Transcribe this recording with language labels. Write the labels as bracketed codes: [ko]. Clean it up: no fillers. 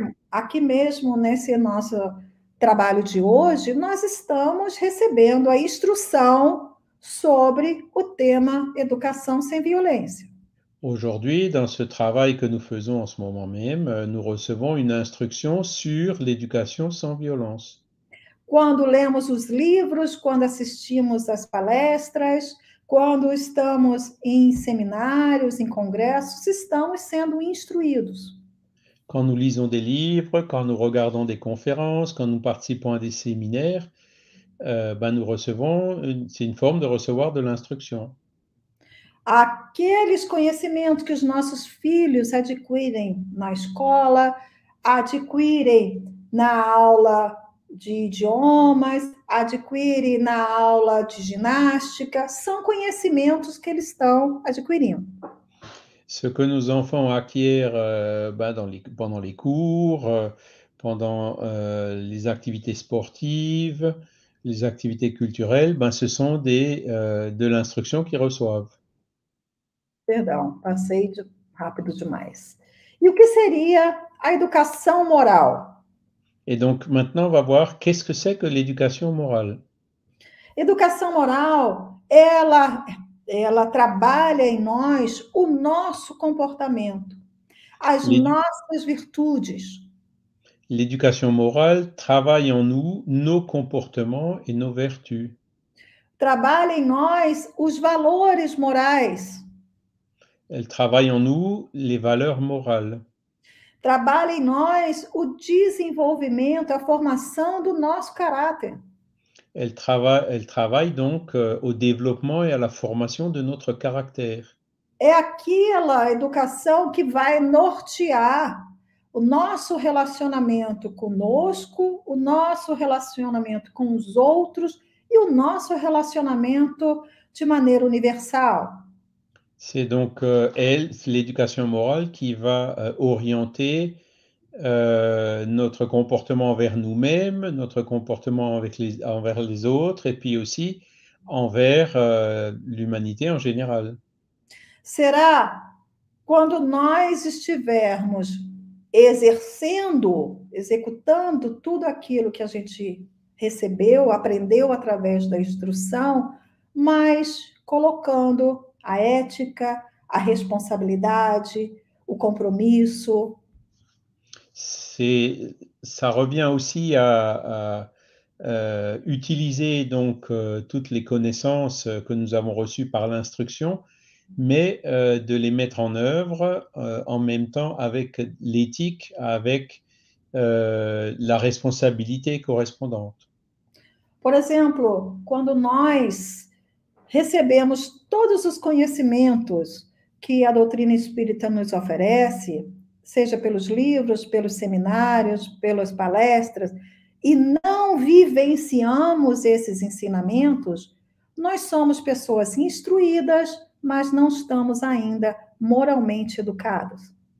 [pt] Aqui mesmo, nesse nosso trabalho de hoje, nós estamos recebendo a instrução sobre o tema Educação sem Violência. [fr] Aujourd'hui, dans ce travail que nous faisons en ce moment même, nous recevons une instruction sur l'éducation sans violence. [pt] Quando lemos os livros, quando assistimos às palestras, quando estamos em seminários, em congressos, estamos sendo instruídos. [fr] Quand nous lisons des livres, quand nous regardons des conférences, quand nous participons à des séminaires, ben nous recevons, c'est une forme de recevoir de l'instruction. [pt] Aqueles conhecimentos que os nossos filhos adquirem na escola, adquirem na aula de idiomas, adquire na aula de ginástica, são conhecimentos que eles estão adquirindo. [fr] Ce que nos enfants acquièrent pendant les cours, pendant les activités sportives, les activités culturelles, ben, ce sont de l'instruction qu'ils reçoivent. [pt] Perdão, passei de rápido demais. E o que seria a educação moral? [fr] Et donc maintenant, on va voir qu'est-ce que c'est que l'éducation morale. [pt] Educação moral, ela trabalha em nós o nosso comportamento, as nossas virtudes. [fr] L'éducation morale travaille en nous nos comportements et nos vertus. [pt] Trabalha em nós os valores morais. [fr] Elle travaille en nous les valeurs morales. [pt] Trabalha em nós o desenvolvimento, a formação do nosso caráter. [fr] Elle travaille donc au développement et à la formation de notre caractère. [pt] é aquela educação que vai nortear o nosso relacionamento conosco, o nosso relacionamento com os outros e o nosso relacionamento de maneira universal. [fr] C'est donc elle, c'est l'éducation morale qui va orienter notre comportement envers nous-mêmes, notre comportement avec les, envers les autres et puis aussi envers l'humanité en général. [pt] Será quando nós estivermos exercendo, executando tudo aquilo que a gente recebeu, aprendeu através da instrução, mas colocando a ética, a responsabilidade, o compromisso. [fr] Ça revient aussi à utiliser donc toutes les connaissances que nous avons reçues par l'instruction, mais de les mettre en œuvre en même temps avec l'éthique, avec la responsabilité correspondante. [pt] Por exemplo, quando nós recebemos todos os conhecimentos que a doutrina espírita nos oferece, seja pelos livros, pelos seminários, pelas palestras, e não vivenciamos esses ensinamentos, nós somos pessoas instruídas, mas não estamos ainda moralmente educados.